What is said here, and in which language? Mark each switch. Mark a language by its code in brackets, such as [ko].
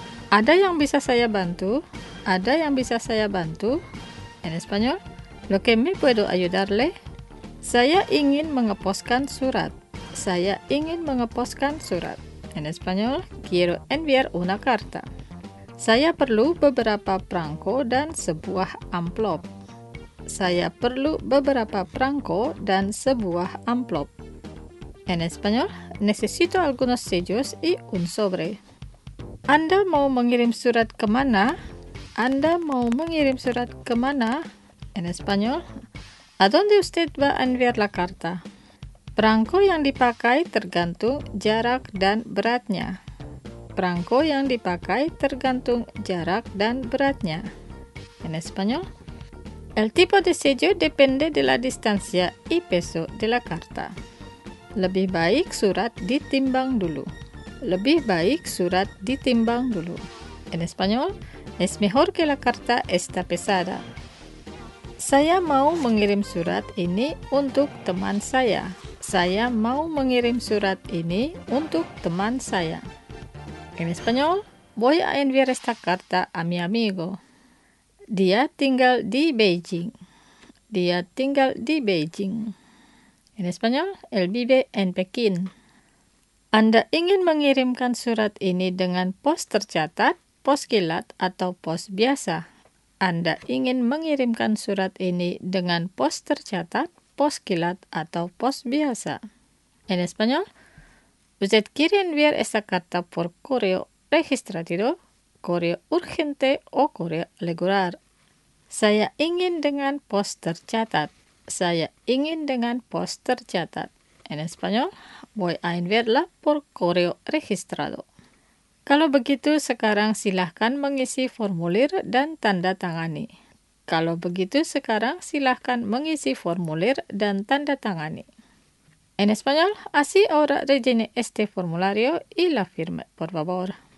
[id] Ada yang bisa saya bantu? Ada yang bisa saya bantu? [es] En español, lo que me puedo ayudarle? [id] Saya ingin mengeposkan surat. Saya ingin mengeposkan surat. [es] En español, quiero enviar una carta. [id] Saya perlu beberapa perangko dan sebuah amplop. Saya perlu beberapa perangko dan sebuah amplop. [es] En español, necesito algunos sellos y un sobre. [id] Anda mau mengirim surat ke mana? Anda mau mengirim surat ke mana? [es] En español, ¿a dónde usted va a enviar la carta? [id] Perangko yang dipakai tergantung jarak dan beratnya. Perangko yang dipakai tergantung jarak dan beratnya. [es] En español, el tipo de sello depende de la distancia y peso de la carta. [id] Lebih baik surat ditimbang dulu. Lebih baik surat ditimbang dulu. [es] En español, es mejor que la carta está pesada. [id] Saya mau mengirim surat ini untuk teman saya. Saya mau mengirim surat ini untuk teman saya. [es] En español, voy a enviar esta carta a mi amigo. [id] Dia tinggal di Beijing. Dia tinggal di Beijing. [es] En español, él vive en Pekín. [id] Anda ingin mengirimkan surat ini dengan pos tercatat, pos kilat, atau pos biasa? Anda ingin mengirimkan surat ini dengan pos tercatat, pos kilat, atau pos biasa? [es] En español, ¿usted quiere enviar esta carta por correo registrado, correo urgente, o correo regular? [id] Saya ingin dengan pos tercatat. Saya ingin dengan pos tercatat. [es] En español, voy a enviarla por correo registrado. [id] Kalau begitu, sekarang silahkan mengisi formulir dan tanda tangani. Kalau begitu, sekarang silahkan mengisi formulir dan tanda tangani. [es] En español, así ahora rellene este formulario y la firme, por favor.